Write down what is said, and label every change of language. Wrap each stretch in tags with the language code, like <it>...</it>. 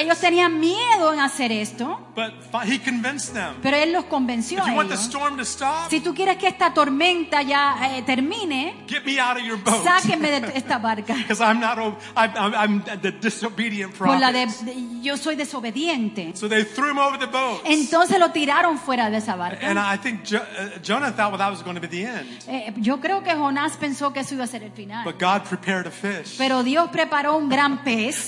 <es>Ellos tenían miedo en hacer esto.</es> <en>But he convinced them.</en> <es>Pero él los convenció.</es> <en>If you a want</en> <es>ellos,</es> <en>the storm to stop,</en> <es>si tú quieres que esta tormenta ya termine,</es> <en>get me out of your boat.</en> <es>Sáquenme de esta barca.</es> <en>Because I'm not, I'm the disobedient prophet.</en> <es>Por la de, yo soy desobediente.</es> <en>So they threw him over the boat.</en> <es>Entonces lo tiraron fuera de esa barca.</es> <en>And I think Jonah thought, well, that was going to be the end.</en> <es>Yo creo que Jonás pensó que eso iba a ser el final.</es> <en>But God prepared a fish.</en> <es>Pero Dios preparó un gran pez.</es>